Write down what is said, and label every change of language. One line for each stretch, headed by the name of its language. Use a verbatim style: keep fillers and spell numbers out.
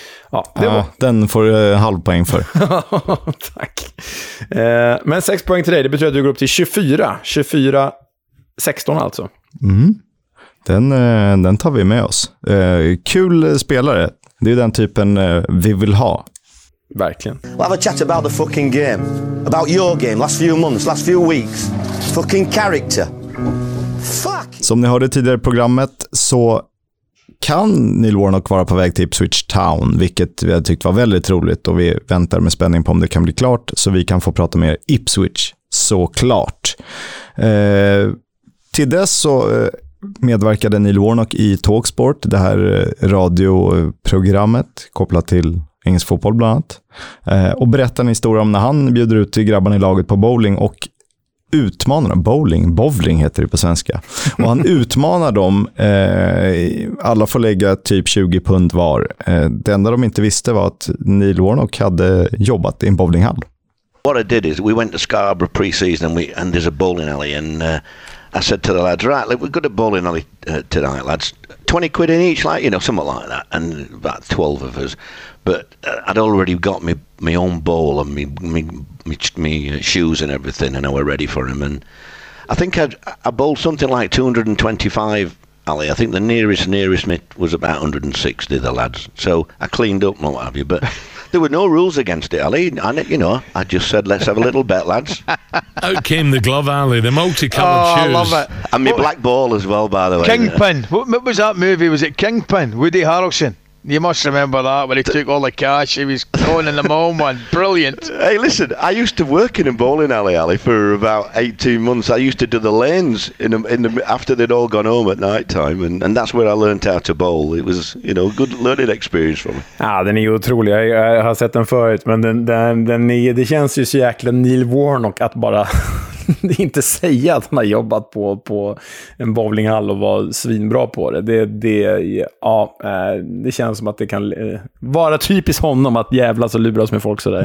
Swedish: Ja, det var... ja, den får du eh, halvpoäng för. Tack. Eh, men sex poäng till dig, det betyder att du går upp till tjugofyra. tjugofyra sexton alltså. Mm. Den, eh, den tar vi med oss. Eh, kul spelare, det är den typen eh, vi vill ha. Verkligen.
English: We'll have a chat about the fucking game. About your game, last few months, last few weeks. Fucking character. Fuck!
Swedish: Som ni hörde tidigare i programmet så kan Neil Warnock vara på väg till Ipswich Town, vilket vi hade tyckt var väldigt roligt och vi väntar med spänning på om det kan bli klart så vi kan få prata mer Ipswich, såklart. Eh, till dess så... Eh, medverkade Neil Warnock i Talksport, det här radioprogrammet kopplat till engelsk fotboll bland annat, eh, och berättar en historia om när han bjuder ut till grabbarna i laget på bowling och utmanar bowling, bowling heter det på svenska, och han utmanar dem, eh, alla får lägga typ tjugo pund var. Eh, det enda de inte visste var att Neil Warnock hade jobbat i en bowlinghall.
English: What I did is we went to Scarborough pre-season and, we, and there's a bowling alley and uh... I said to the lads, right, look, we're good at bowling alley uh, tonight, lads. twenty quid in each, like, you know, something like that. And about twelve of us. But uh, I'd already got me, me own bowl and me, me, me, me uh, shoes and everything, and I were ready for him. And I think I'd, I bowled something like two hundred twenty-five, alley. I think the nearest, nearest me was about one hundred sixty, the lads. So I cleaned up and what have you. But there were no rules against it, Ali. And, you know, I just said, let's have a little bet, lads. Out came the glove, Ali, the multicoloured oh, shoes. I love it. And my black ball as well, by the way. Kingpin. What, what was that movie? Was it Kingpin? Woody Harrelson. You must remember that, when he the, took all the cash. He was going in the mall, man. Brilliant. Hey, listen, I used to work in a bowling alley, Ali, for about eighteen months. I used to do the lanes in the, in the, after they'd all gone home at night time, and, and that's where I learned how to bowl. It was, you know, good learning experience for me.
Swedish: Ja, den är ju otrolig. Jag, jag har sett den förut, men den, den, den är, det känns ju så jäkla Neil Warnock att bara... inte säga att han har jobbat på, på en bowlinghall och var svinbra på det. Det, det, ja, det känns som att det kan vara typiskt honom att jävlas och luras med folk sådär.